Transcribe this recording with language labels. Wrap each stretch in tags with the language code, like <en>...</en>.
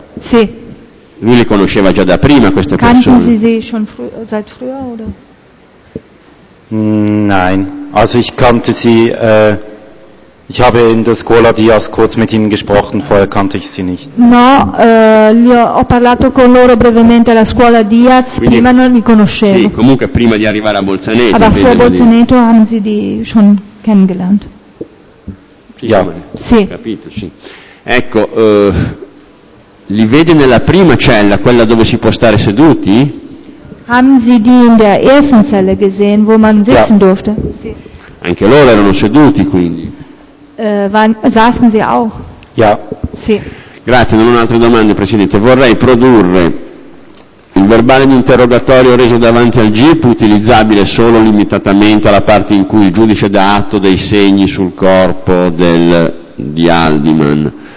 <it>Sì. Lui li conosceva già da prima queste persone.</it> <de>Kannten Sie sie schon seit früher oder? Nein, also ich kannte sie. Ich habe in der Scuola Diaz kurz mit ihnen gesprochen. Vorher kannte ich sie nicht.</de> <it>No, ho parlato con loro brevemente alla scuola Diaz. Quindi, prima non li conoscevo. Sì, comunque prima di arrivare a Bolzaneto.</it> <de>Aber vor Bolzaneto haben Sie die schon kennengelernt.</de> <it>Sì, ja. Sì. Capito, sì. Ecco. Li vede nella prima cella, quella dove si può stare seduti?</it> <de>Haben Sie die in der ersten Zelle gesehen, wo man sitzen ja. durfte?</de> <it>Sì. Anche loro erano seduti, quindi.</it> <de>Saßen Sie auch? Ja.</de> <it>Sì. Grazie, non ho altre domande, Presidente. Vorrei produrre il verbale di interrogatorio reso davanti al GIP, utilizzabile solo limitatamente alla parte in cui il giudice dà atto dei segni sul corpo di Haldimann.</it>